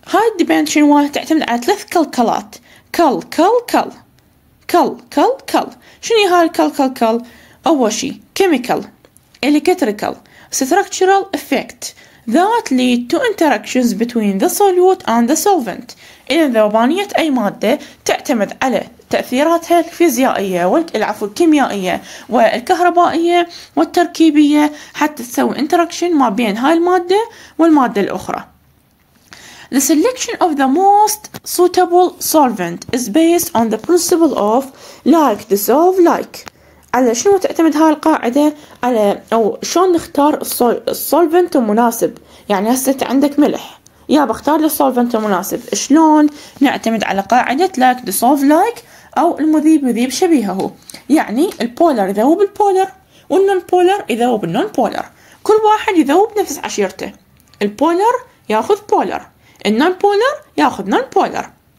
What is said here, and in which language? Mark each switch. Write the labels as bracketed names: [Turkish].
[Arabic] هاي الديبند شنو تعتمد على ثلاث كلكلات. كل كل كل كل كل كل شنو هاي الكل كل كل؟ أول شيء كيميكال إلكتريكال ستركتشرال إفكت ذات [English] lead to interactions between the solute and the solvent. [Arabic] إذا ذوبانية أي مادة تعتمد على تأثيراتها الفيزيائية والعفو الكيميائية والكهربائية والتركيبية حتى تسوي interaction ما بين هاي المادة والمادة الأخرى. [English] The selection of the most suitable solvent is based on the principle of like dissolve like. [Arabic] على شنو تعتمد هاي القاعدة؟ على أو شلون نختار السولفنت المناسب؟ يعني هسه أنت عندك ملح، يا بختار السولفنت المناسب، شلون نعتمد على قاعدة لايك ديسولف لايك أو المذيب يذيب شبيهه؟ يعني البولر يذوب البولر والنون بولر يذوب النون بولر، كل واحد يذوب نفس عشيرته، البولر ياخذ بولر، النون بولر ياخذ نون بولر.